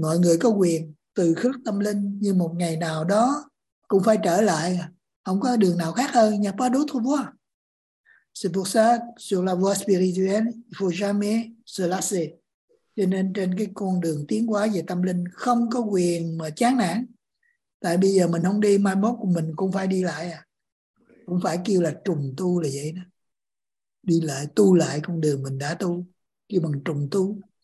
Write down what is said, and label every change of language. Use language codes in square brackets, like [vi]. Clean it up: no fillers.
[vi] Mọi người có quyền từ khước tâm linh, như một ngày nào đó cũng phải trở lại, không có đường nào khác hơn, [fr] n'y a pas d'autre voie. C'est pour ça, sur la voie spirituelle, il faut jamais se lasser. [vi] Cho nên trên cái con đường tiến hóa về tâm linh không có quyền mà chán nản. Tại bây giờ mình không đi, mai mốt của mình cũng phải đi lại à. Cũng phải kêu là trùng tu là vậy đó. Đi lại, tu lại con đường mình đã tu, kêu bằng trùng tu.